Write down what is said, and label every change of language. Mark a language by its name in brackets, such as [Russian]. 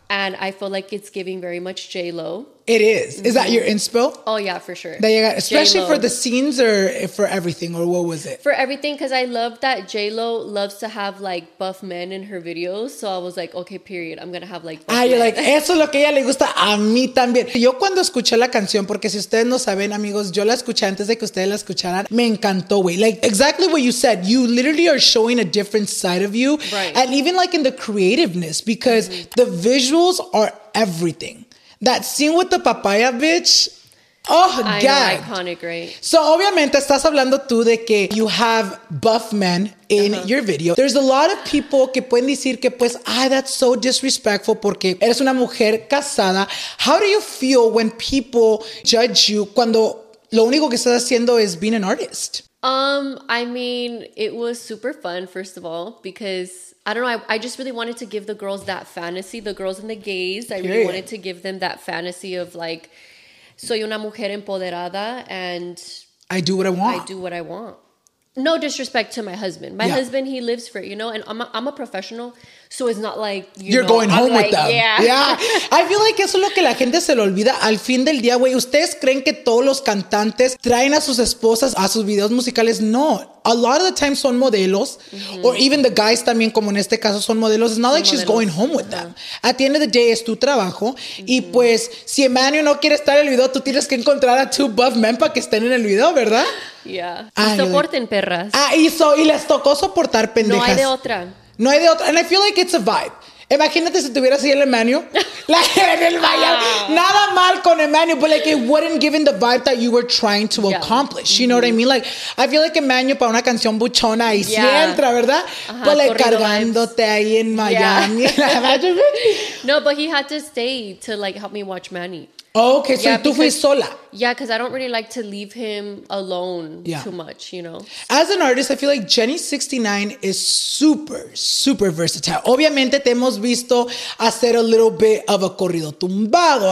[English] And I feel like it's giving very much J-Lo. It is. Mm-hmm. Is that your inspo? Oh, yeah, for sure. That you got, especially J-Lo. For the scenes or for everything, or what was it? For everything, because I love that J-Lo loves to have like buff men in her videos. So I was like, okay, period. I'm going to have like buff men. You're like, [Spanish] eso es lo que ella le gusta a mí también. Yo cuando escuché la canción, porque si ustedes no saben, amigos, yo la escuché antes de que ustedes la escucharan. Me encantó, güey. [English] Like, exactly what you said. You literally are showing a different side of you. Right. And even like in the creativeness, because mm-hmm. the visuals are everything. That scene with the papaya, bitch. Oh, I gag. Know, iconic, right? So, [Spanish] obviamente, estás hablando tú de que [English] you have buff men in uh-huh. your video. There's a lot of people [Spanish] que pueden decir que, pues, [English] ah, that's so disrespectful [Spanish] porque eres una mujer casada. [English] How do you feel when people judge you [Spanish] cuando lo único que estás haciendo es [English] being an artist? I mean, it was super fun, first of all, because I don't know. I just really wanted to give the girls that fantasy, the girls and the gays. I really wanted to give them that fantasy of like, [Spanish] soy una mujer empoderada [English] and I do what I want. I do what I want. No disrespect to my husband. My husband, he lives for it, you know, and I'm a professional. So it's not like, you're going home with them. Yeah. Yeah. I feel like [Spanish] eso es lo que la gente se le olvida al fin del día, güey. ¿Ustedes creen que todos los cantantes traen a sus esposas a sus videos musicales? No. [English] A lot of the time [Spanish] son modelos. [English] Mm-hmm. Or even the guys [Spanish] también, como en este caso, son modelos. [English] It's not like she's going home with them. At the end of the day, [Spanish] es tu trabajo. [English] Mm-hmm. [Spanish] Y pues, si Emmanuel no quiere estar en el video, tú tienes que encontrar a [English] two buff men [Spanish] para que estén en el video, ¿verdad? Yeah. Ay, soporten, perras. Ah, hizo. Y les tocó soportar, pendejas. No hay de otra. No hay de otra. [English] And I feel like it's a vibe. [Spanish] Imagínate si tuviera así el Emmanuel. [English] Like, [Spanish] en el baile. Ah. Nada mal con Emmanuel, [English] but like, it wouldn't give him the vibe that you were trying to accomplish. Mm-hmm. You know what I mean? Like, I feel like [Spanish] Emmanuel para una canción buchona y si entra, ¿verdad? Ajá, [English] but like, [Spanish] cargándote ahí en Miami. [English] Yeah. No, but he had to stay to like help me watch Manny. Oh, okay, so yeah, [Spanish] tú fuiste sola. [English] Yeah, because I don't really like to leave him alone too much, you know? As an artist, I feel like Jenny69 is super, super versatile. [Spanish] Obviamente, te hemos visto hacer [English] a little bit of a [Spanish] corrido tumbado.